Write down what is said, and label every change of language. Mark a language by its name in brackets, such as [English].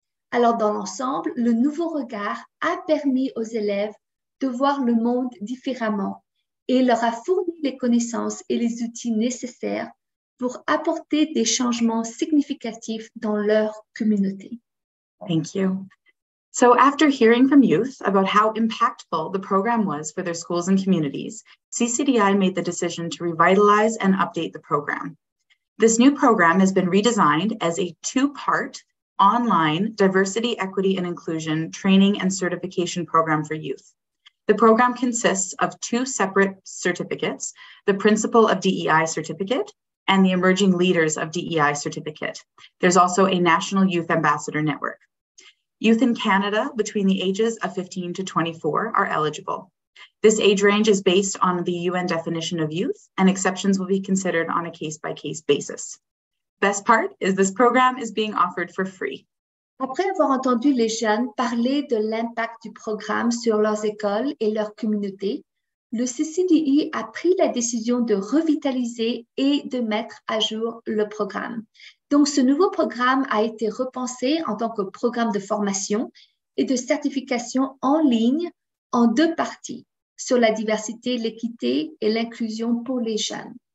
[French] Alors, dans l'ensemble, le nouveau regard a permis aux élèves de voir le monde différemment et leur a fourni les connaissances et les outils nécessaires pour apporter des changements significatifs dans leur communauté. [English] Thank you. So after hearing from youth about how impactful the program was for their schools and communities, CCDI made the decision to revitalize and update the program. This new program has been redesigned as a two-part online diversity, equity, and inclusion training and certification program for youth. The program consists of 2 separate certificates, the Principal of DEI Certificate and the Emerging Leaders of DEI Certificate. There's also a National Youth Ambassador Network. Youth in Canada between the ages of 15 to 24 are eligible. This age range is based on the UN definition of youth, and exceptions will be considered on a case-by-case basis. Best part is this program is being offered for free. [French] Après avoir entendu les jeunes parler de l'impact du programme sur leurs écoles et leurs communautés, le CCDI a pris la décision de revitaliser et de mettre à jour le programme. Donc, ce nouveau programme a été repensé en tant que programme de formation et de certification en ligne en 2 parties sur la diversité, l'équité et l'inclusion pour les jeunes.